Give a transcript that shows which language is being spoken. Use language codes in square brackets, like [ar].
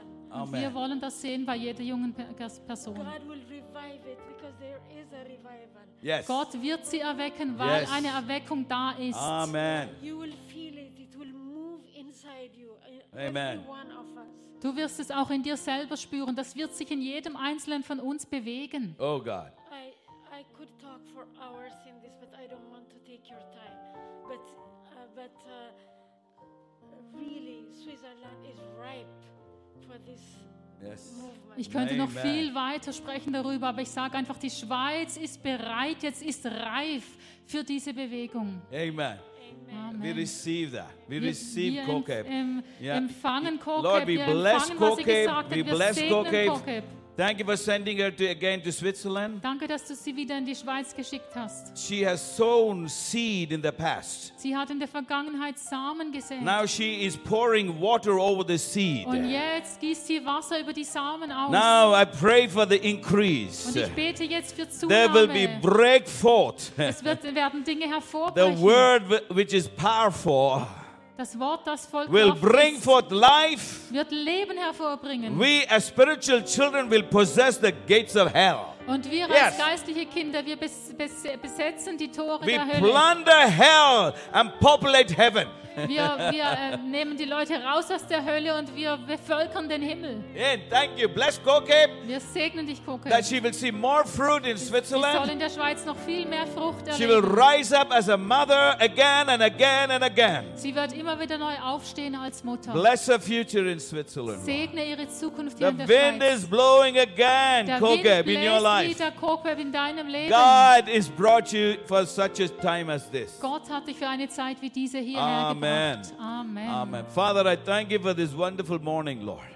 [de] Und wir wollen das sehen bei jeder jungen Person. [en] God will revive it because there is a revival. Yes. [de] Gott wird sie erwecken, weil yes. eine Erweckung da ist. [en] Amen. You will feel it. It will move inside you. Amen. Every one of us. [de] Du wirst es auch in dir selber spüren. Das wird sich in jedem Einzelnen von uns bewegen. [en] Oh God. I could talk for hours in this, but I don't want to take your time. But really, Switzerland is ripe. Yes. [de] Ich könnte Amen. Noch viel weiter sprechen darüber, aber ich sage einfach, die Schweiz ist bereit, jetzt ist reif für diese Bewegung. [en] Amen. Amen. We receive that. We receive [de] Kokeb. Empfangen Kokeb. [en] Lord, we bless Kokeb. We bless Kokeb. Thank you for sending her again to Switzerland. [de] Danke, dass du sie wieder in die Schweiz geschickt hast. [en] She has sown seed in the past. [de] Sie hat in der Vergangenheit Samen gesät. [en] Now she is pouring water over the seed. [de] Und jetzt gießt sie Wasser über die Samen aus. [en] Now I pray for the increase. [de] Und ich bete jetzt für Zunahme. [en] There will be break forth. [de] Es werden Dinge hervorbrechen. [en] The word which is powerful. [de] Das Wort, das Volk [en] will bring forth life. [de] Wird Leben hervorbringen. [en] We as spiritual children will possess the gates of hell. [de] Und wir yes. als geistliche Kinder, wir besetzen die Tore [en] we [de] der Hölle. [en] We plunder hell and populate heaven. [de] Wir nehmen die Leute raus aus der Hölle und wir bevölkern den Himmel. [en] Yeah, thank you. Bless Kokeb. [de] Wir segnen dich, Kokeb. [en] That she will see more fruit in Switzerland. [de] Sie soll in der Schweiz noch viel mehr Frucht erleben. [en] She will rise up as a mother again and again and again. [de] Sie wird immer wieder neu aufstehen als Mutter. [en] Bless her future in Switzerland. [de] Segne ihre Zukunft hier in der Schweiz. [en] The wind is blowing again, Kokeb, in your life. life. God has brought you for such a time as this. Amen. Amen. Amen. Father, I thank you for this wonderful morning, Lord.